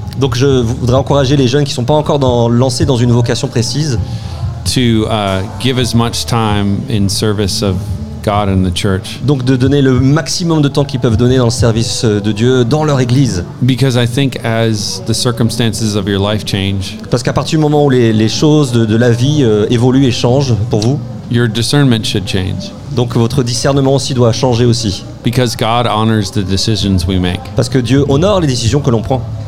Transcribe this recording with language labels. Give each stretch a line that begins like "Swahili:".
French: Donc je voudrais encourager les jeunes qui sont pas encore lancés dans une vocation précise
English: to give as much time in service of God and the church.
French: Donc de donner le maximum de temps qu'ils peuvent donner dans le service de Dieu dans leur église.
English: Because I think as the circumstances of your life change.
French: Parce qu'à partir du moment où les choses de la vie évoluent et changent pour vous,
English: your discernment should change.
French: Donc votre discernement aussi doit changer aussi.
English: Because God honors the decisions we make.
French: Parce que Dieu honore les décisions que l'on prend.